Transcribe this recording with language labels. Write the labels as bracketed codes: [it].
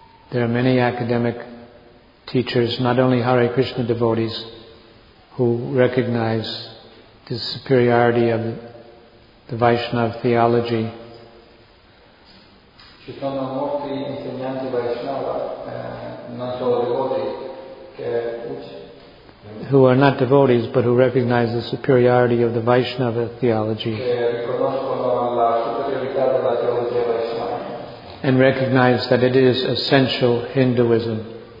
[en] There are many academic teachers, not only Hare Krishna devotees, who recognize the superiority of the Vaishnava theology. [it] Ci sono molti insegnanti Vaishnava, non solo devoti, che [en] who are not devotees but who recognize the superiority of the Vaishnava theology and recognize that it is essential Hinduism.